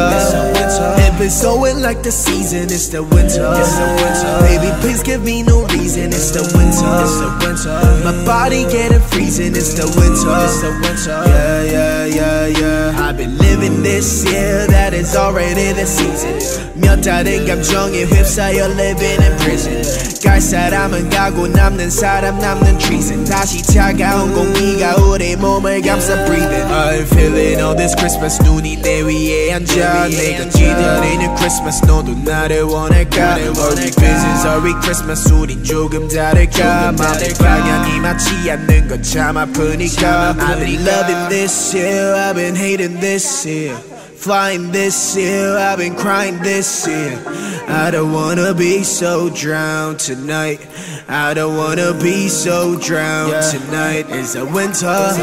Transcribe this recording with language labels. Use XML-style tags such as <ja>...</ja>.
<en>If it's snowing like the season, it's the winter. Baby, please give me no reason, it's the winter. My body getting freezing, it's the winter. Yeah. I've been living this year, that is already the season.</en> <ko>몇 달의 감정에 휩싸여</ko> <en>living in prison.</en> <ko>갈 사람은 가고 남는 사람 남는 treason. 다시 차가운 공기가 우리 몸을 감싸 breathing.</ko> <en>I'm feeling all this Christmas.</en> <ko>눈이 내 위에 앉아. 내가 기다리는 Christmas. 너도 나를 원할까?</ko> <en>Only business are we Christmas.</en> <ko>우린 조금 다를까? 맘의 방향이 맞지 않는 건 참 아프니까.</ko> <en>I've been loving this year. I've been hating this year. Flying this year, I've been crying this year. I don't wanna be so drowned tonight. I don't wanna be so drowned tonight. It's the winter.</en>